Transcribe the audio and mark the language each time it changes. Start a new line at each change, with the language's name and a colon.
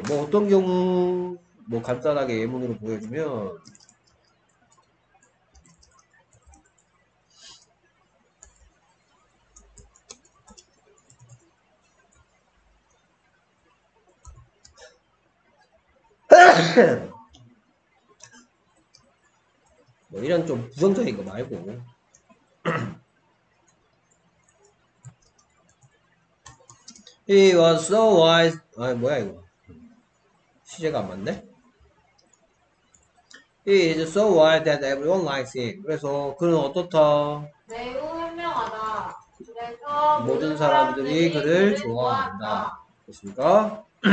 Korean: 뭐, 어떤 경우, 뭐, 간단하게 예문으로 보여주면, 뭐 이런 좀 부정적인 거 말고
English: He was so wise.
Korean: 아 뭐야 이거 시제가 안 맞네.
English: He is so wise that everyone likes him.
Korean: 그래서 그는 어떻다? 매우 현명하다. 그래서 모든 사람들이 그를 좋아한다. 그렇습니까?